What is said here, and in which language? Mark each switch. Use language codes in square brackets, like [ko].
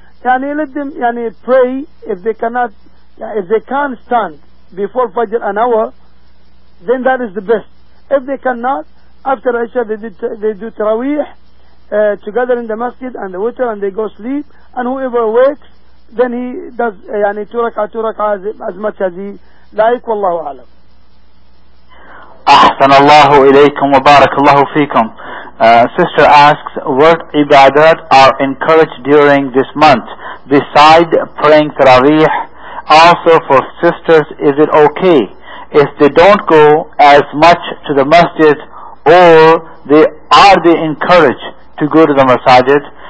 [en] Can you let them pray? If they cannot, if they can't stand before Fajr an hour, then that is the best. If they cannot, after Isha they do Taraweeh together in the masjid, and the witr, and they go sleep. And whoever wakes, then he does turaqa as much as he like. Wallahu alam. [ar] أحسن الله إليكم وبارك الله فيكم. [en] Sister asks, what ibadat are encouraged during this month besides praying Taraweeh? Also, for sisters, is it okay if they don't go as much to the masjid, or are they encouraged to go to the masajid?